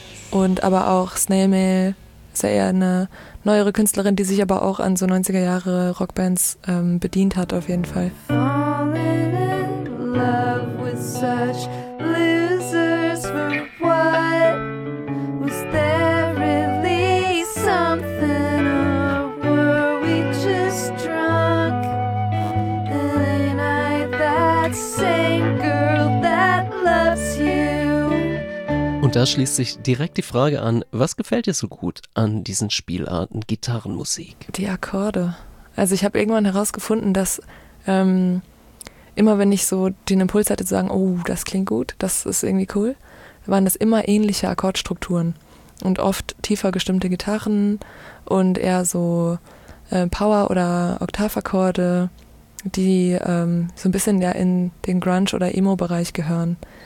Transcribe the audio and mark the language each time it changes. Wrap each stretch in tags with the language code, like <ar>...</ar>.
<de>Und aber auch Snail Mail. Ist ja eher eine neuere Künstlerin, die sich aber auch an so 90er Jahre Rockbands bedient hat, auf jeden Fall.</de> <en>Falling in love with such losers for what? Was there really something or were we just drunk? And ain't I that same girl that loves you?</en> <de>Und da schließt sich direkt die Frage an, was gefällt dir so gut an diesen Spielarten Gitarrenmusik? Die Akkorde. Also ich habe irgendwann herausgefunden, dass immer wenn ich so den Impuls hatte zu sagen, oh, das klingt gut, das ist irgendwie cool, waren das immer ähnliche Akkordstrukturen und oft tiefer gestimmte Gitarren und eher so Power- oder Oktavakkorde, die so ein bisschen ja in den Grunge- oder Emo-Bereich gehören.</de>